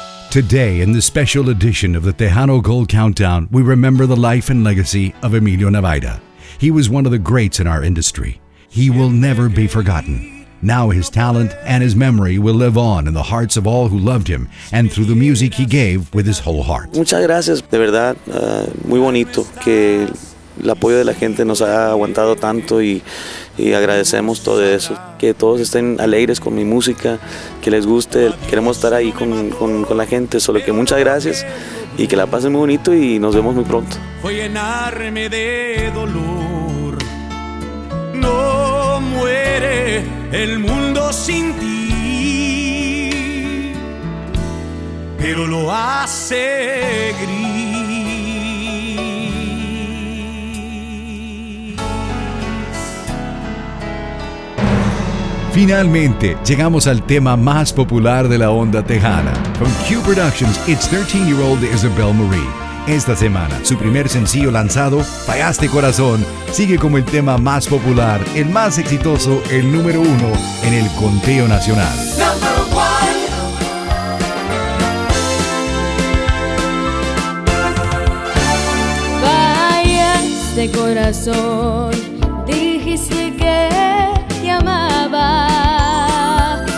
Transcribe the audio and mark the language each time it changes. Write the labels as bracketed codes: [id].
[en] Today, in this special edition of the Tejano Gold Countdown, we remember the life and legacy of Emilio Navaida. He was one of the greats in our industry. He will never be forgotten. Now his talent and his memory will live on in the hearts of all who loved him and through the music he gave with his whole heart. [es] Muchas gracias, de verdad, muy bonito que el apoyo de la gente nos haya aguantado tanto y agradecemos todo eso. Que todos estén alegres con mi música, que les guste. Queremos estar ahí con la gente, solo que muchas gracias y que la pasen muy bonito y nos vemos muy pronto. Fue llenarme de dolor. No muere el mundo sin ti, pero lo hace gris. Finalmente, llegamos al tema más popular de la onda tejana. [en] From Q Productions, it's 13-year-old Isabel Marie. [es] Esta semana, su primer sencillo lanzado, Fallaste Corazón, sigue como el tema más popular, el más exitoso, el número uno en el conteo nacional. Fallaste corazón, dijiste que te amaba.